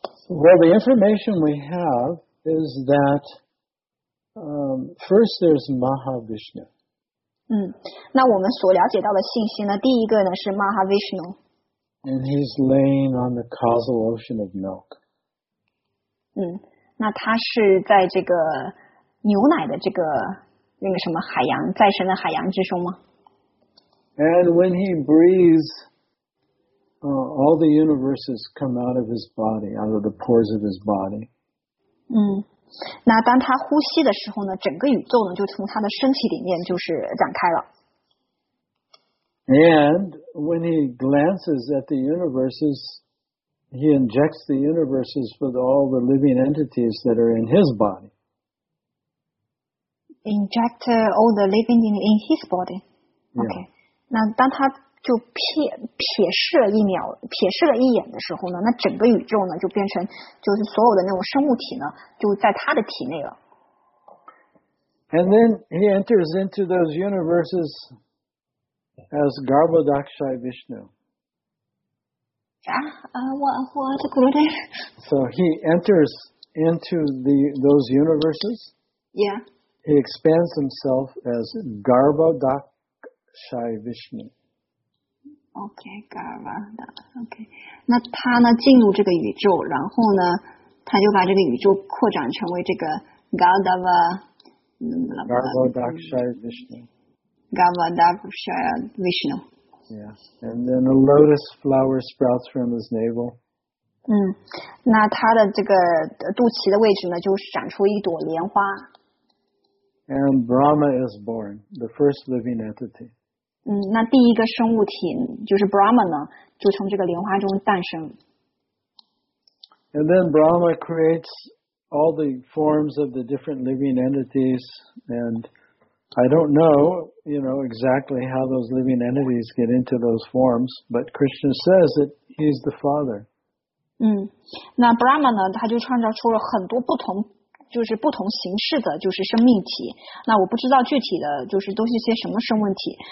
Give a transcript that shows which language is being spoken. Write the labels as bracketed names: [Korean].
[English] Well, the information we have is that first there's Mahavishnu. [Chinese] 嗯，那我们所了解到的信息呢，第一个呢是 Mahavishnu. [English] And he's laying on the causal ocean of milk. [Chinese] 嗯，那他是在这个牛奶的这个那个什么海洋，再生的海洋之中吗？ [English] And when he breathes, all the universes come out of his body, out of the pores of his body. [Chinese] 嗯，那当他呼吸的时候呢，整个宇宙呢就从他的身体里面就是展开了。 [English] And when he glances at the universes, he injects the universes with all the living entities that are in his body. Inject all the living in his body. Okay. [Chinese] 那当他就瞥视了一秒，瞥视了一眼的时候呢，那整个宇宙呢就变成就是所有的那种生物体呢就在他的体内了。 [English] And then he enters into those universes as Garbhodakshay Vishnu. What good? So he enters into those universes. Yeah. He expands himself as Garbhodakshay Vishnu. Okay, Garbhodakshay. Okay. [Chinese] 那他呢进入这个宇宙，然后呢，他就把这个宇宙扩展成为这个 Garbhodakshay [English] Vishnu. Garbhodakshay Vishnu. Yeah. And then a lotus flower sprouts from his navel. [Chinese] 嗯，那他的这个肚脐的位置呢，就长出一朵莲花。 [English] And Brahma is born, the first living entity. [Chinese] 嗯，那第一个生物体就是 Brahma 呢，就从这个莲花中诞生。 [English] And then Brahma creates all the forms of the different living entities, and I don't know, you know, exactly how those living entities get into those forms, but Krishna says that he's the father. [Chinese] 嗯，那 Brahma 呢，他就创造出了很多不同。就是不同形式的就是生命体，那我不知道具体的就是都是些什么生命体。